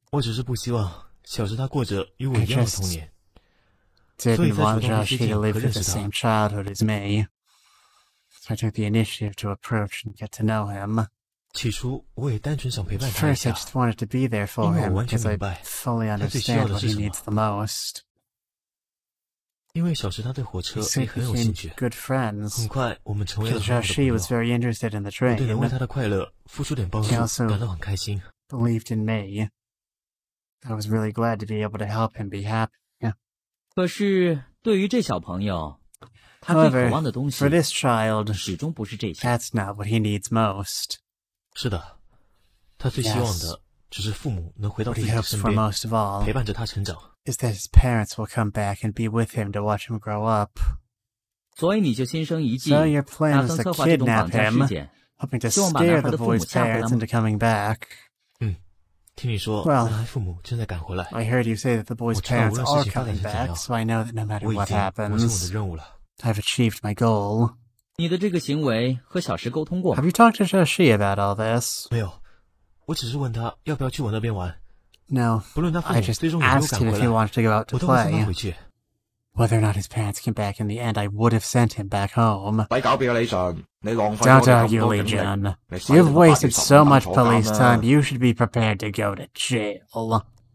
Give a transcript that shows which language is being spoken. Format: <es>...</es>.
<zh>我只是不希望小时他过着与我一样的童年。</zh> <en>Didn't want Josh to live with the same childhood as me. So I took the initiative to approach and get to know him.</en> <zh>起初我也单纯想陪伴他一下,</zh> <en>first, I just wanted to be there for him because I fully understand what he needs the most. Because he became good friends. Because Joshi was very interested in the train.</en> <zh>我对能为他的快乐付出点帮助,</zh> <en>he also believed in me. I was really glad to be able to help him be happy. Yeah.</en> <zh>可是对于这小朋友,</zh> <en>however, for this child, that's not what he needs most.</en> <zh>是的,他最希望的只是父母能回到自己的身边,陪伴着他成长。</zh> <en>Is that his parents will come back and be with him to watch him grow up.</en> <zh>所以你就心生一计,</zh> <en>so your plan was to kidnap him, hoping to scare the boy's parents into coming back.</en> <zh>嗯,听你说,</zh> <en>well, I heard you say that the boy's parents are coming back, so I know that no matter what happens, I've achieved my goal. Have you talked to Joshi about all this?</en> <zh>没有，我只是问他要不要去我那边玩。</zh> <en>No, I just asked him if he wanted to go out to play. Whether or not his parents came back in the end, I would have sent him back home. Don't argue, Legion. You've wasted so much police time, you should be prepared to go to jail.</en>